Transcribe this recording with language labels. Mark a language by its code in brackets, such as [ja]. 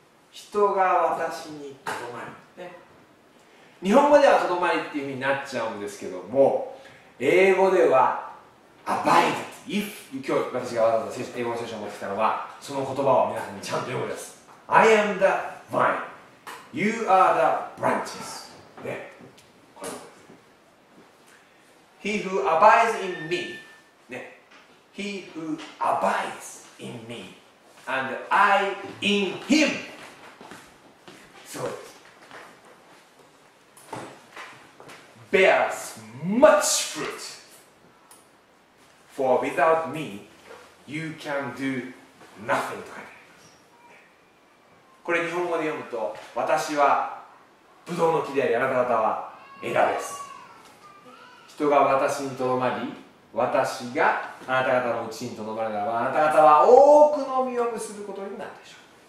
[ja] 人が私にとどまり、ね、日本語ではとどまりっていう風になっちゃうんですけども、英語では [en] Abide If [ja] 今日私がわざわざ英語の聖書を持ってきたのは、その言葉を皆さんにちゃんと読むです。 [en] I am the vine. You are the branches.、ね、He who abides in me.、ね、He who abides in me. And I in him. [ja] すごいです。 [en] Bears much fruit. For without me, you can do nothing. [ja] これ日本語で読むと、私はブドウの木であり、あなた方は枝です。人が私にとどまり、私があなた方のうちにとどまるならば、あなた方は多くの実を結ぶことになるでしょう。